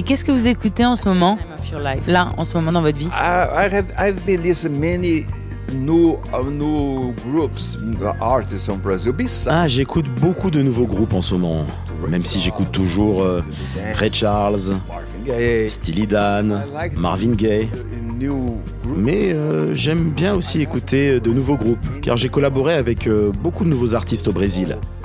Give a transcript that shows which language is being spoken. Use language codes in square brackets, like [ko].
[fr] Et qu'est-ce que vous écoutez en ce moment? Là, en ce moment dans votre vie? [en] I've been listening many new groups, artists in Brazil. [fr] Ah, j'écoute beaucoup de nouveaux groupes en ce moment. Même si j'écoute toujours Ray Charles, Steely Dan, Marvin Gaye. Mais j'aime bien aussi écouter de nouveaux groupes, car j'ai collaboré avec beaucoup de nouveaux artistes au Brésil.